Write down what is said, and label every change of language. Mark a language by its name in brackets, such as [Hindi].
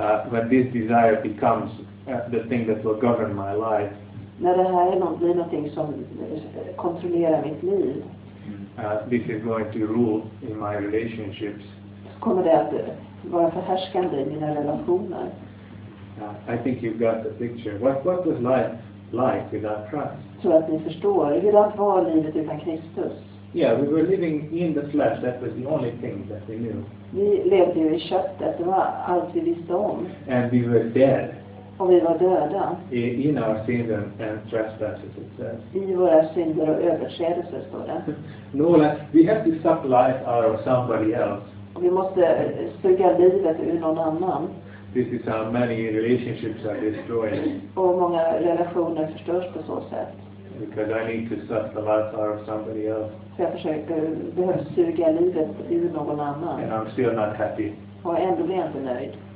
[English] When this desire becomes the thing that will govern my life. [Swedish] När det här blir någonting som kontrollerar mitt liv. [English] This is going to rule in my relationships. [Swedish] Kommer det att vara förhärskande i mina relationer? [English] I think you've got the picture. What was life like without Christ? [Swedish] Så att ni förstår, hur det var livet utan Kristus? [English] Yeah, we were living in the flesh. That was the only thing that we knew. [Swedish] Vi levde ju i köttet. Det var allt vi visste om. [English] And we were dead. [Swedish] Och vi var döda. [English] In our sins and trespasses, it says. [Swedish] I våra synder och överträdelser, står det. [English] No, we have to suck life out of somebody else. [Swedish] Vi måste suga livet ur någon annan. [English] This is how many relationships are destroyed. [Swedish] Och många relationer förstörs på så sätt. [English] Because I need to suck the life out of somebody else. [Swedish] För jag behöver suga livet ur någon annan. [English] And I'm still not happy. [Swedish] Och ändå blir jag inte nöjd.